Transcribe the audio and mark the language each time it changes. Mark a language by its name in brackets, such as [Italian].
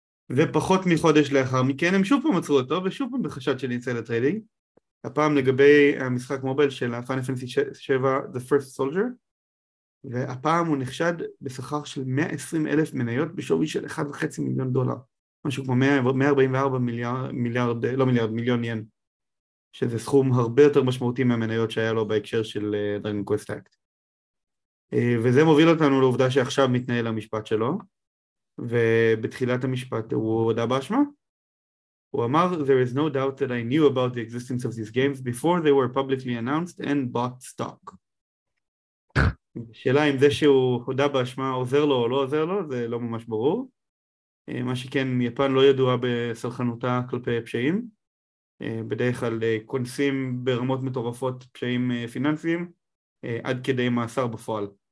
[Hebrew] ופחות מחודש לאחר מכן, הם שוב פעם עצרו אותו, ושוב פעם בחשד של Insider Trading, הפעם לגבי המשחק מובייל של Final Fantasy 7, The First Soldier, והפעם הוא נחשד בשכר של 120 אלף מניות, בשווי של 1.5 מיליון דולר, משהו כמו 144 מיליארד, לא מיליארד, מיליון ין, שזה סכום הרבה יותר משמעותי מהמניות שהיה לו בהקשר של Dragon Quest Act. וזה מוביל אותנו לעובדה שעכשיו מתנהל המשפט שלו, ובתחילת המשפט הוא הודה באשמה. הוא אמר, [English] "There is no doubt that I knew about the existence of these games before they were publicly announced and bought stock." [Hebrew] שאלה אם זה שהוא הודה באשמה עוזר לו או לא עוזר לו, זה לא ממש ברור. מה שכן, יפן לא ידועה בסלחנותה כלפי פשעים. בדרך כלל קונסים ברמות מטורפות פשעים פיננסיים, עד כדי מאסר בפועל.